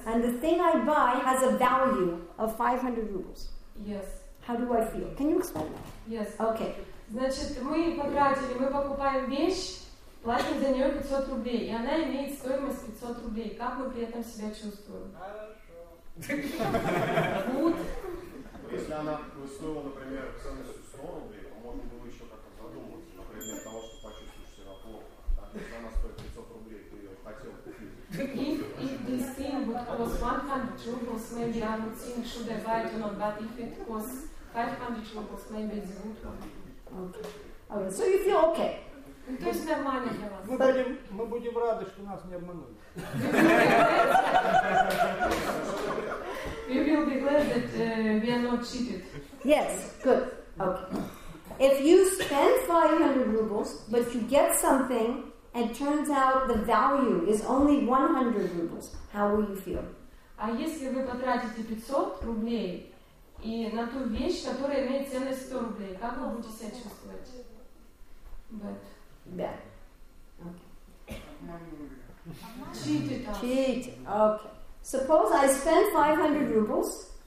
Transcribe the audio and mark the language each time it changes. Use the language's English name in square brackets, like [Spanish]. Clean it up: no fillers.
[English] And the thing I buy has a value of 500 rubles. Yes. How do I feel? Can you explain that? Yes. Okay. [Russian] Значит, мы потратили, мы покупаем вещь, платим за нее 500 рублей, и она имеет стоимость 500 рублей. Как мы при этом себя чувствуем? Хорошо. [English] Good. [Russian] Если она стоила, например, ценностью 100 рублей, то можно было еще как-то задуматься, например, того, что почувствуешь себя плохо. [English] If this thing would cost 100 rubles, maybe I would think should I buy it or not, but if it costs 500 rubles, maybe it's a good one. Okay. So you feel okay. [Russian] То есть нормально для вас. Мы будем рады, что нас не обманули. [English] We will be glad that we are not cheated. Yes, good. Okay. If you spend 500 rubles, but you get something, and it turns out the value is only 100 rubles, how will you feel? [Russian] А если вы потратите 500 рублей и на ту вещь, которая имеет ценность 100 рублей, как вы будете себя чувствовать? [English] Bad. Bad. Okay. Cheated. Okay. Suppose I spend 500 rubles.